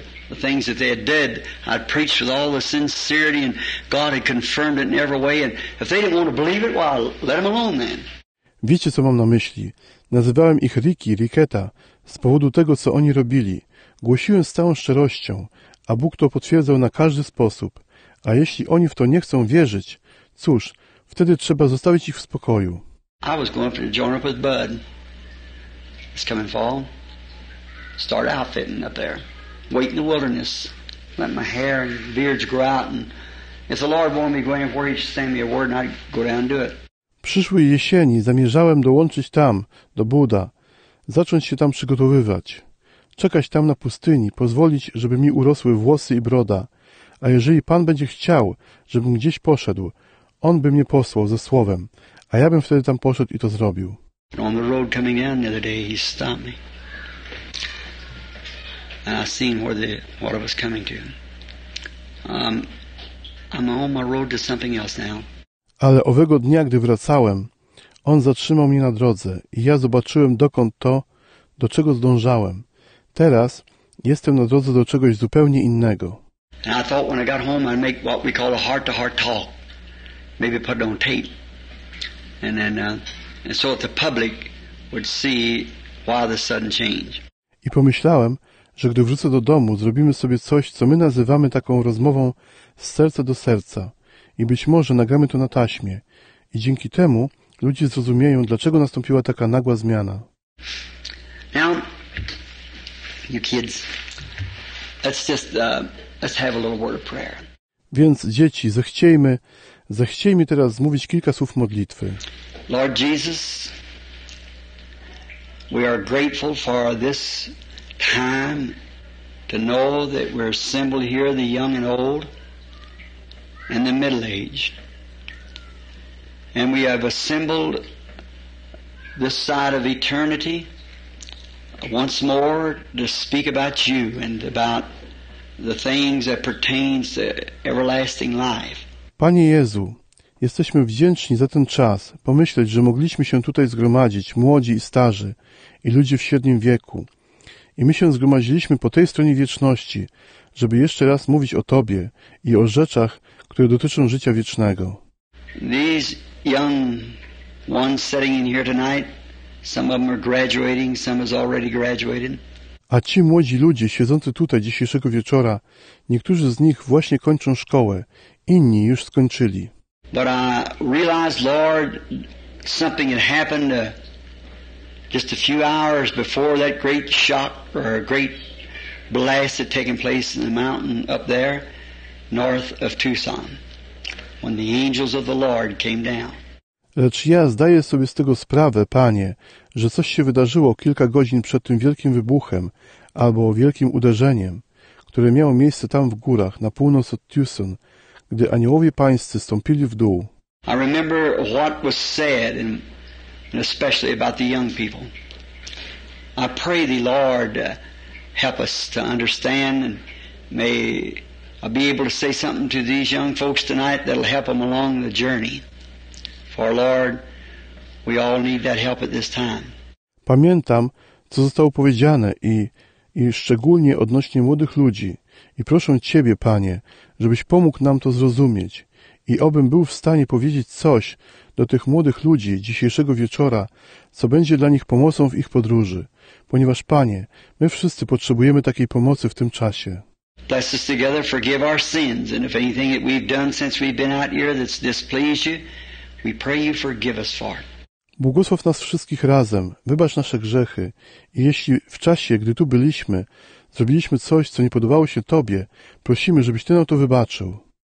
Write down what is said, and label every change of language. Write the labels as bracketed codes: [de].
[en] The things that they had did, I'd preached with all the sincerity and God had confirmed it in every way. And if they didn't want to believe it, well, let them alone then. [pl] Wiecie, co mam na myśli? Nazywałem ich Ricky, Ricketta, z powodu tego, co oni robili. Głosiłem z całą szczerością, a Bóg to potwierdzał na każdy sposób. A jeśli oni w to nie chcą wierzyć, cóż, wtedy trzeba zostawić ich w spokoju. [en] I was going to join up with Bud. It's coming fall. Start outfitting up there. Wait in the wilderness. Let my hair and beards grow out. And if the Lord wanted me to go anywhere, he'd send me a word and I'd go down and do it. [pl] Przyszłej jesieni zamierzałem dołączyć tam, do Buda. Zacząć się tam przygotowywać. Czekać tam na pustyni, pozwolić, żeby mi urosły włosy i broda. A jeżeli Pan będzie chciał, żebym gdzieś poszedł, On by mnie posłał ze słowem, a ja bym wtedy tam poszedł i to zrobił. [en] On the road coming down the other day, he stopped me. And I seen what I was coming to. I'm on my road to something else now. [pl] Ale owego dnia, gdy wracałem, on zatrzymał mnie na drodze i ja zobaczyłem, dokąd to, do czego zdążałem. Teraz jestem na drodze do czegoś zupełnie innego. [en] And I thought when I got home, I'd make what we call a heart-to-heart talk. Maybe put it on tape. And then, and so that the public would see why the sudden change. [pl] I pomyślałem, że gdy wrócę do domu, zrobimy sobie coś, co my nazywamy taką rozmową z serca do serca. I być może nagramy to na taśmie. I dzięki temu ludzie zrozumieją, dlaczego nastąpiła taka nagła zmiana. [en] Now, you kids, let's have a little word of prayer. [pl] Więc dzieci, zechciejmy teraz mówić kilka słów modlitwy. [en] Lord Jesus, we are grateful for this time to know that we're assembled here, the young and old, and the middle-aged. And we have assembled this side of eternity once more to speak about you and about the things that pertains to everlasting life. [pl] Panie Jezu, jesteśmy wdzięczni za ten czas, pomyśleć, że mogliśmy się tutaj zgromadzić, młodzi i starzy, i ludzie w średnim wieku. I my się zgromadziliśmy po tej stronie wieczności, żeby jeszcze raz mówić o Tobie i o rzeczach, które dotyczą życia wiecznego. [en] These young ones sitting in here tonight, some of them are graduating, some has already graduated. [pl] A ci młodzi ludzie siedzący tutaj dzisiejszego wieczora, niektórzy z nich właśnie kończą szkołę, inni już skończyli. [en] But I realized, Lord, something had happened just a few hours before that great shock or a great blast had taken place in the mountain up there north of Tucson. when the angels of the Lord came down. [pl] Lecz ja zdaję sobie z tego sprawę, Panie, że coś się wydarzyło kilka godzin przed tym wielkim wybuchem albo wielkim uderzeniem, które miało miejsce tam w górach, na północ od Tucson, gdy aniołowie pańscy stąpili w dół. [en] I remember what was said, and especially about the young people. I pray thee, Lord, help us to understand, and may I be able to say something to these young folks tonight that'll help them along the journey. For Lord, we all need that help at this time. [pl] Pamiętam, co zostało powiedziane i szczególnie odnośnie młodych ludzi. I proszę Ciebie, Panie, żebyś pomógł nam to zrozumieć. I obym był w stanie powiedzieć coś do tych młodych ludzi dzisiejszego wieczora, co będzie dla nich pomocą w ich podróży. Ponieważ, Panie, my wszyscy potrzebujemy takiej pomocy w tym czasie. [en] Bless us together, forgive our sins, and if anything that we've done since we've been out here that's displeased you, we pray you forgive us for it. [pl] Błogosław nas wszystkich razem, wybacz nasze grzechy i jeśli w czasie, gdy tu byliśmy, zrobiliśmy coś, co nie podobało się Tobie, prosimy, żebyś Ty nam to wybaczył.